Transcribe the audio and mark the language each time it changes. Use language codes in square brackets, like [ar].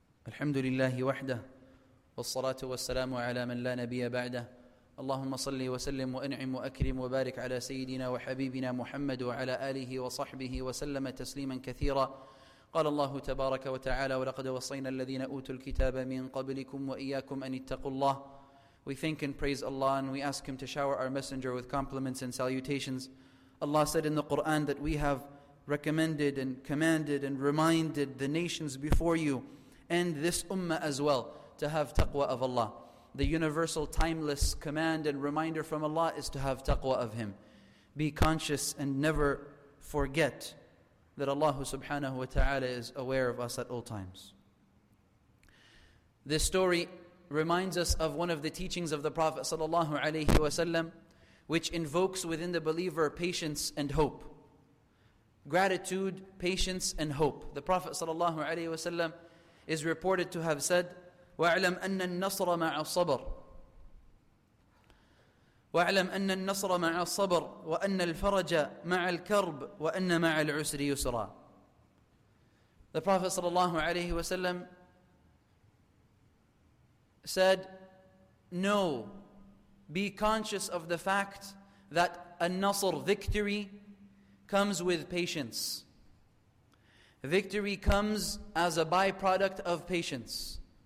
[ar] الحمد لله وحده والصلاة والسلام على من لا نبي بعده. اللهم صلي وسلم وأنعم وأكرم وبارك على سيدنا وحبيبنا محمد وعلى آله وصحبه وسلم تسليما كثيرا. قال الله تبارك وتعالى: "ولقد وصينا الذين أوتوا الكتاب من قبلكم وإياكم أن اتقوا الله." [en] We thank and praise Allah and we ask Him to shower our messenger with compliments and salutations. Allah said in the Quran that we have recommended and commanded and reminded the nations before you and this ummah as well to have taqwa of Allah. The universal timeless command and reminder from Allah is to have taqwa of Him. Be conscious and never forget that Allah subhanahu wa ta'ala is aware of us at all times. This story reminds us of one of the teachings of the Prophet sallallahu alayhi wa sallam, which invokes within the believer patience and hope. Gratitude, patience and hope. The Prophet sallallahu alayhi wa sallam is reported to have said, [ar] "وَاعْلَمْ أَنَّ النَّصْرَ مَعَ الصَّبْرِ وَاعْلَمْ أَنَّ النَّصْرَ مَعَ الصَّبْرِ وَأَنَّ الْفَرَجَ مَعَ الْكَرْبِ وَأَنَّ مَعَ الْعُسْرِ يُسْرًا." [en] The Prophet ﷺ said, no, be conscious of the fact that a Nasr, victory, comes with patience. Victory comes as a byproduct of patience.